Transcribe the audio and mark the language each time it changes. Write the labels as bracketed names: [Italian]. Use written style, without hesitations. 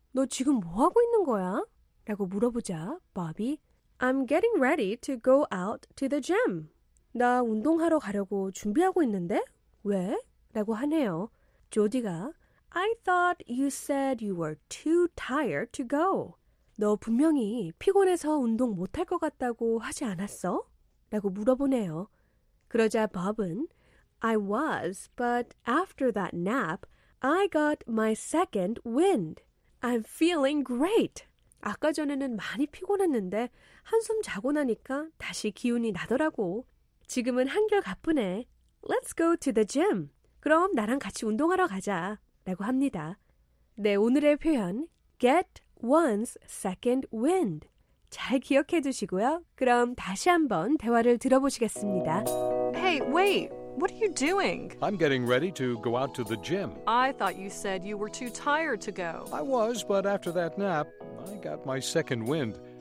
[Korean] 너 지금 뭐 하고 있는 거야? 라고 물어보자 밥이 [English] I'm getting ready to go out to the gym. [Korean] 나 운동하러 가려고 준비하고 있는데? 왜? 라고 하네요. [English] 조디가 I thought you said you were too tired to go. [Korean] 너 분명히 피곤해서 운동 못할 것 같다고 하지 않았어? 라고 물어보네요. 그러자 밥은 [English] I was, but after that nap, I got my second wind. I'm feeling great. [Korean] 아까 전에는 많이 피곤했는데 한숨 자고 나니까 다시 기운이 나더라고. 지금은 한결 가뿐해. [English] Let's go to the gym. [Korean] 그럼 나랑 같이 운동하러 가자. 라고 합니다. 네, 오늘의 표현 [English] get one's second wind. [Korean] 잘 기억해 두시고요. 그럼 다시 한번 대화를 들어보시겠습니다. [English] Hey, wait. What are you doing? I'm getting ready to go out to the gym. I thought you said you were too tired to go. I was, but after that nap, I got my second wind.